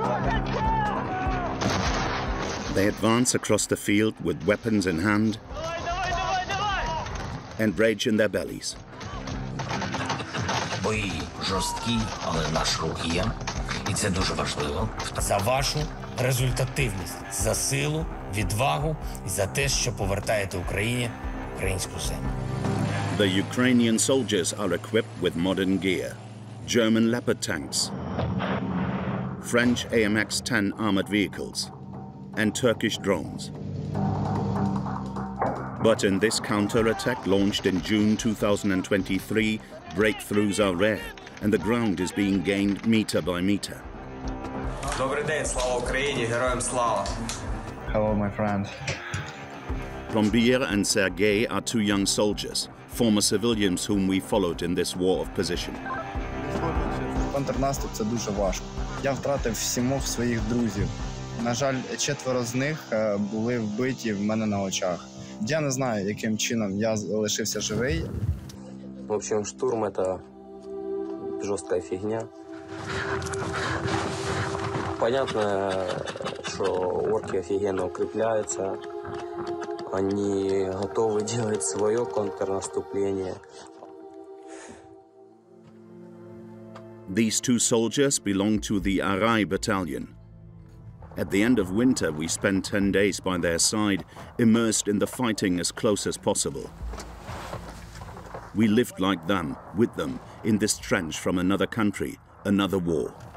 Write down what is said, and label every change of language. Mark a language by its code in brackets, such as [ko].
[en] They advance across the field with weapons in hand and rage in their bellies. [uk] Бої жорсткі, але наш рух є, і це дуже важливо. За вашу результативність, за силу, відвагу і за те, що повертаєте Україні українську землю. [en] The Ukrainian soldiers are equipped with modern gear. German Leopard tanks, French AMX-10 armored vehicles, and Turkish drones. But in this counterattack launched in June 2023, breakthroughs are rare, and the ground is being gained meter by meter. [uk] Добрий день, слава Україні, героям слава. [en] Hello, my friend. Plombier and Sergei are two young soldiers, former civilians whom we followed in this war of position. [uk] Контрнаступ – це дуже важко. Я втратив сімох своїх друзів. На жаль, четверо з них були вбиті в мене на очах. Я не знаю, яким чином я залишився живий. [ru] В общем, [uk] штурм – це жорстка фігня. Понятно, що орки офігенно укріпляються. Вони готові робити своє контрнаступлення. [en] These two soldiers belong to the Arai battalion. At the end of winter, we spent 10 days by their side, immersed in the fighting as close as possible. We lived like them, with them, in this trench from another country, another war.